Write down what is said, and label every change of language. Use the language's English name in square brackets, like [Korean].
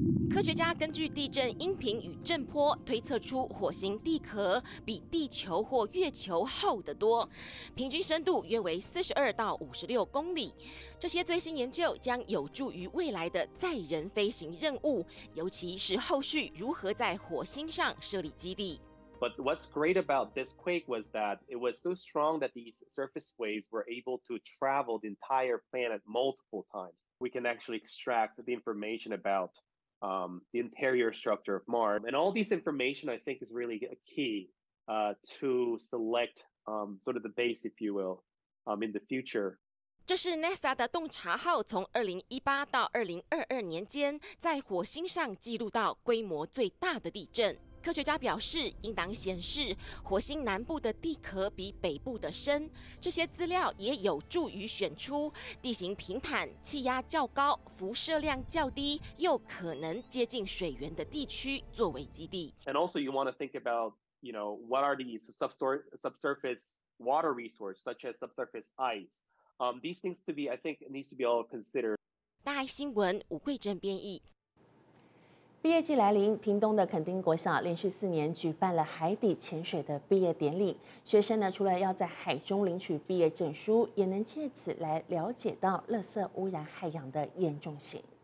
[Chinese] 科学家根据地震音频与震波推测出火星地壳比地球或月球厚得多，平均深度约为42到56公里。这些最新研究将有助于未来的载人飞行任务，尤其是后续如何在火星上设立基地。 [English] But what's great about this quake was that it was so strong that these surface waves were able to travel the entire planet multiple times. We can actually extract the information aboutthe interior structure of Mars. And all this information, I think, is really a key to select sort of the base, if you will, in the future. [Chinese] 这是 NASA 的洞察号从2018到2022年间在火星上记录到规模最大的地震。科学家表示，应当显示火星南部的地壳比北部的深，这些资料也有助于选出地形平坦、气压较高、辐射量较低又可能接近水源的地区作为基地。 [English] And also you want to think about, you know, what are these subsurface water resources such as subsurface ice? These things to be, I think, needs to be all considered. [Chinese] 大爱新闻吴桂珍编译。毕业季来临，屏东的垦丁国小连续4年举办了海底潜水的毕业典礼。学生呢，除了要在海中领取毕业证书，也能借此来了解到垃圾污染海洋的严重性。